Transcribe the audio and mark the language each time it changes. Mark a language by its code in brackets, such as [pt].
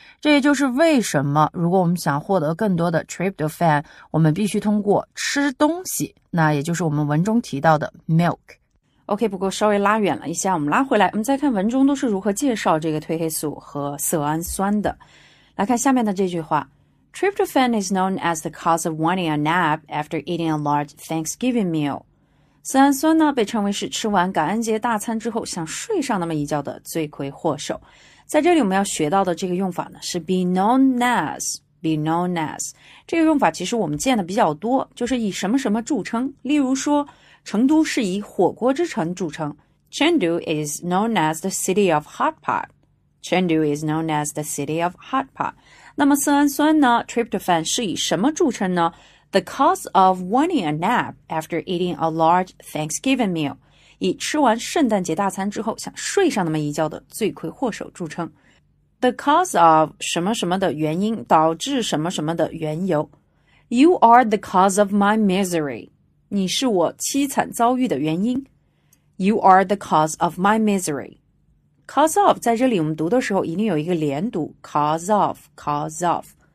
[zh] 这也就是为什么如果我们想获得更多的 tryptophan， 我们必须通过吃东西，那也就是我们文中提到的 milk。 OK， 不过稍微拉远了一下，我们拉回来，我们再看文中都是如何介绍这个褪黑素和色氨酸的。来看下面的这句话， [en] Tryptophan is known as the cause of wanting a nap after eating a large Thanksgiving meal. [zh] 色氨酸呢，被称为是吃完感恩节大餐之后想睡上那么一觉的罪魁祸首。在这里我们要学到的这个用法呢，是 be known as。这个用法其实我们见的比较多，就是以什么什么著称，例如说成都是以火锅之城著称。 [en] Chengdu is known as the city of hot pot. Chengdu is known as the city of hot pot. [zh] 那么色氨酸呢 [en] ,tryptophan [zh] 是以什么著称呢 [en] ?The cause of wanting a nap after eating a large Thanksgiving meal. [zh] 以吃完圣诞节大餐之后想睡上那么一觉的罪魁祸首著称。 [en] The cause of [zh] 什么什么的原因导致什么什么的缘由。 [en] You are the cause of my misery. [zh] 你是我凄惨遭遇的原因。 [en] You are the cause of my misery. [zh] Cause of 在这里我们读的时候一定有一个连读 cause of。